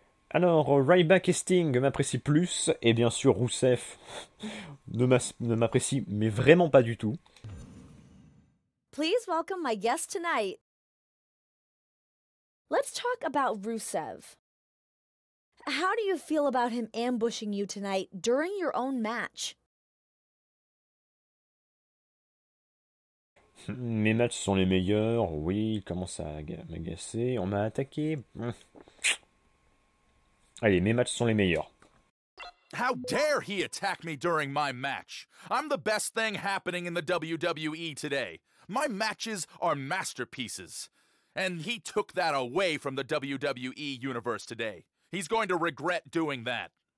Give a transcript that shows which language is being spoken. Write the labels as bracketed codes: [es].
[fr] Alors, Ryback et Sting m'apprécient plus, et bien sûr, Rousseff ne m'apprécie, mais vraiment pas du tout. [en] Please welcome my guest tonight. Let's talk about Rusev. How do you feel about him ambushing you tonight during your own match? [fr] Mes matchs sont les meilleurs, oui, il commence à m'agacer, on m'a attaqué. Allez, mes matchs sont les meilleurs. [en] How dare he attack me during my match? I'm the best thing happening in the WWE today. My matches are masterpieces. And he took that away from the WWE universe today. He's going to regret doing that.